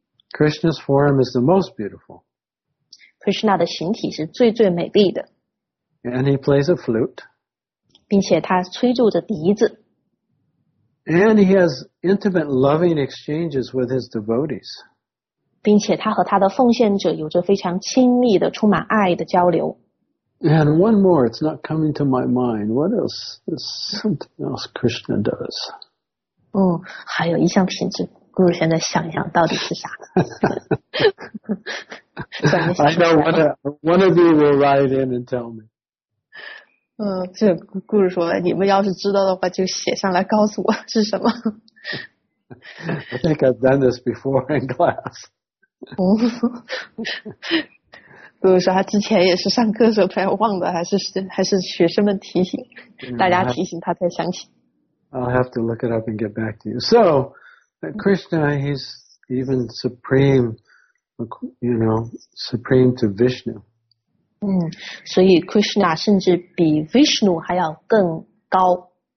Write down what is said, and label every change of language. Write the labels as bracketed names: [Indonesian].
[English] Krishna's form is the most beautiful. [Chinese] Krishna 的形体是最最美丽的。 [English] And he plays a flute. [Chinese] 并且他吹奏着笛子。 [English] And he has intimate loving exchanges with his devotees. [Chinese] 并且他和他的奉献者有着非常亲密的充满爱的交流。 [English] And one more, it's not coming to my mind. What else? There's something else Krishna does. [Chinese] 还有一项品质，姑姑现在想一想到底是啥。 [English] I know one of you will write in and tell me. [Chinese] 这姑姑说你们要是知道的话就写上来告诉我是什么。 [English] I think I've done this before in class. [Chinese] 姑姑说他之前也是上课的时候突然忘了，还是学生们提醒，大家提醒他才想起。 [English] I'll have to look it up and get back to you. So, Krishna, he's even supreme, you know, supreme to Vishnu. [Chinese] 所以 Krishna 甚至比 Vishnu 还要更高。